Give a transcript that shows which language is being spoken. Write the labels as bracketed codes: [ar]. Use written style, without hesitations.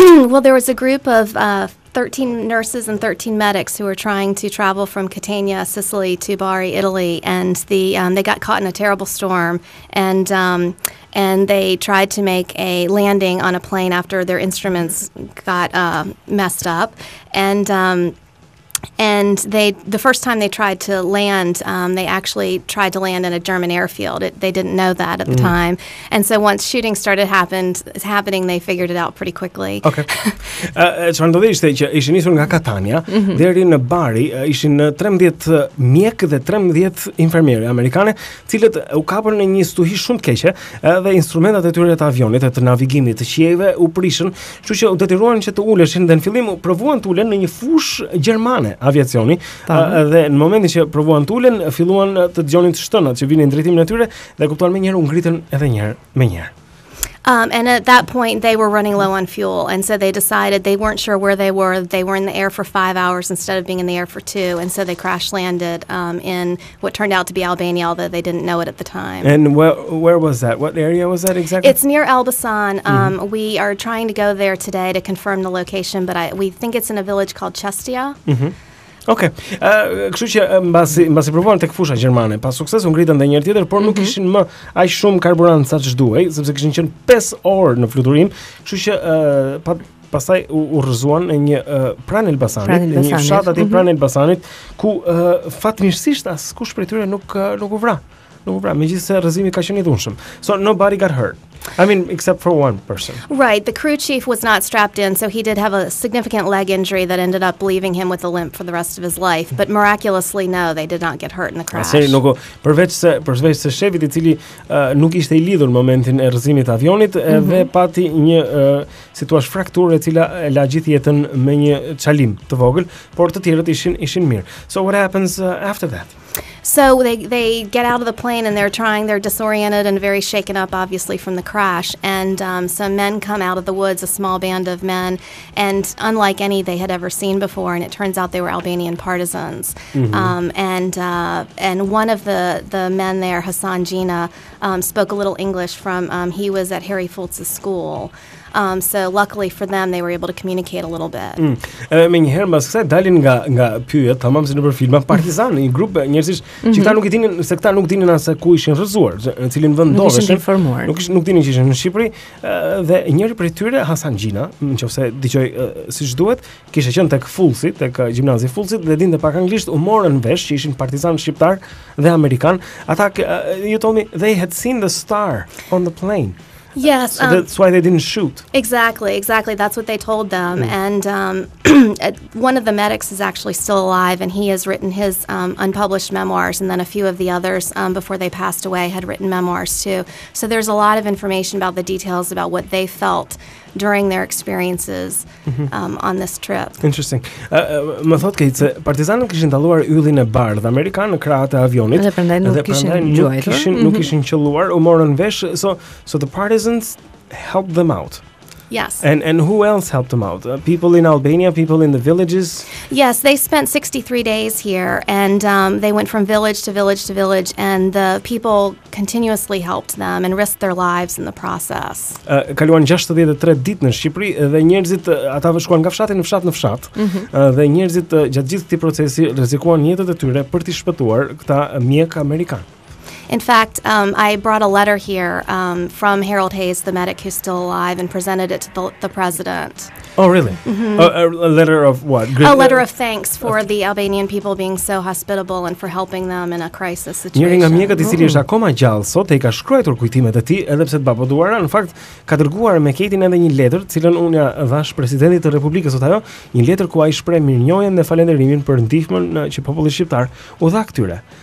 [en] Well, there was a group of 13 nurses and 13 medics who were trying to travel from Catania, Sicily, to Bari, Italy, and they got caught in a terrible storm, and they tried to make a landing on a plane after their instruments got messed up, and the first time they tried to land, they actually tried to land in a German airfield. They didn't know that at the time. And so once shooting started happening, they figured it out pretty quickly. Okay. [sq] Çfarë ndodhi ishte që ishin nisur nga Catania deri në Bari, ishin 13 mjek dhe 13 infermiere amerikane, cilët u kapën në një stuhi shumë të keqe, dhe instrumentat e tyre të avionit, të navigimit, të qieve u prishën, kështu që u detyruan që të uleshin dhe në fillim u provuan të ulen në një fushë gjermane aviacioni, dhe në momentin që provuan t'ulen, filluan të dëgjonin shtënat që vinin drejtimin e tyre dhe kuptuan më njëherë u ngritën edhe një herë më njëherë. [en] And at that point they were running low on fuel, and so they decided they weren't sure where they were in the air for 5 hours instead of being in the air for 2, and so they crash landed in what turned out to be Albania, although they didn't know it at the time. And where was that? What area was that exactly? It's near Elbasan. We are trying to go there today to confirm the location, but we think it's in a village called Chestia. Okay. [sq] Kështu që mbasi provuan tek fusha gjermane, pas suksesu ngritën edhe një herë tjetër, por nuk kishin më aq shumë karburant saç duhej, sepse kishin qenë 5 orë në fluturim, kështu që pastaj u rrëzuan në një pranë Elbasanit, në një fshat aty pranë Elbasanit, ku fatmirësisht askush prej tyre nuk u vra, megjithëse rrëzimi ka qenë i dhunshëm. [en] So nobody got hurt. I mean, except for one person. Right, the crew chief was not strapped in, so he did have a significant leg injury that ended up leaving him with a limp for the rest of his life. But miraculously, no, they did not get hurt in the crash. [sq] Përveç se shefit i cili nuk ishte i lidhur në momentin e rrëzimit të avionit, edhe pati një situash frakturë e cila e la gjithë jetën me një çalim të vogël, por të tjerët ishin mirë. [en] So what happens after that? So they get out of the plane and they're disoriented and very shaken up, obviously, from the crash. And some men come out of the woods, a small band of men, and unlike any they had ever seen before, and it turns out they were Albanian partisans. And one of the men there, Hassan Gina, spoke a little English from, he was at Harry Fultz's school. So luckily for them they were able to communicate a little bit. [sq] Menjëherë mbas kësaj dalin nga pyje, tamam, si nëpër filma partizan, një grup njerëzish që ata nuk e dinin se këta nuk dinin as ku ishin rrëzuar, në cilin vend ndodheshin. Nuk dinin që ishin në Shqipëri, dhe njëri prej tyre, Hasan Gjina, nëse dëgjoj siç duhet, kishte qenë tek Fullsi, tek gjimnazi Fullsit, dhe dinte pak anglisht, u morën vesh që ishin partizan shqiptar dhe amerikan. [en] Ata you told me they had seen the star on the plane. Yes, so that's why they didn't shoot. Exactly. That's what they told them. And one of the medics is actually still alive, and he has written his unpublished memoirs, and then a few of the others before they passed away had written memoirs too. So there's a lot of information about the details about what they felt during their experiences on this trip. Interesting. [sq] Më thot Kate se partizanët kishin dalluar yllin e bardh amerikan në krahët e avionit, dhe prandaj nuk kishin qelluar, u morën vesh. [en] So the partisans helped them out. Yes. And who else helped them out? People in Albania, people in the villages? Yes, they spent 63 days here, and they went from village to village to village, and the people continuously helped them and risked their lives in the process. [sq] Kaluan 63 ditë në Shqipëri, dhe njerëzit ata shkuan nga fshati në fshat dhe njerëzit gjatë gjithë këtij procesi rrezikuan jetën e tyre për të shpëtuar këta mjek amerikan. [en] In fact, I brought a letter here from Harold Hayes, the medic who's still alive, and presented it to the president. Oh, really? Mm-hmm. A letter of what? A letter of thanks for the Albanian people being so hospitable and for helping them in a crisis situation. [sq] Njëri nga mjekët i cili është akoma gjallë sot e ka shkruar kujtimet e tij, edhe pse të babaduara, në fakt ka dërguar me Katie edhe një letër, cilën unë ja dhash presidentit të Republikës sot ajo, një letër ku ai shpreh mirënjohjen dhe falënderimin për ndihmën që populli shqiptar u dha këtyre.